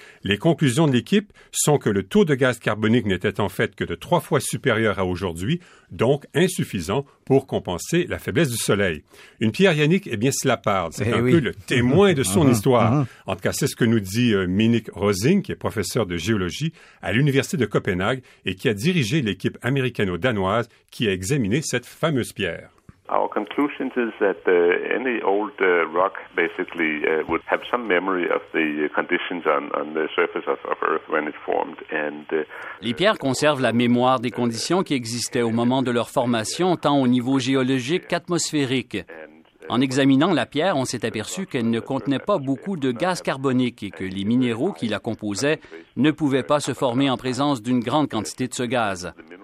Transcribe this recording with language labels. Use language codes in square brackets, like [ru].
[fr] Les conclusions de l'équipe sont que le taux de gaz carbonique n'était en fait que de 3 fois supérieur à aujourd'hui, donc insuffisant pour compenser la faiblesse du soleil. Une pierre, Yannick, eh bien, c'est la parle. C'est peu le témoin de son histoire. En tout cas, c'est ce que nous dit Minik Rosing, qui est professeur de géologie à l'Université de Copenhague et qui a dirigé l'équipe américano-danoise qui a examiné cette fameuse pierre. [en] Our conclusion is that any old rock basically would have some memory of the conditions on the surface of Earth when it formed. And [fr] les pierres conservent la mémoire des conditions qui existaient au moment de leur formation, tant au niveau géologique qu'atmosphérique. En examinant la pierre, on s'est aperçu qu'elle ne contenait pas beaucoup de gaz carbonique et que les minéraux qui la composaient ne pouvaient pas se former en présence d'une grande quantité de ce gaz.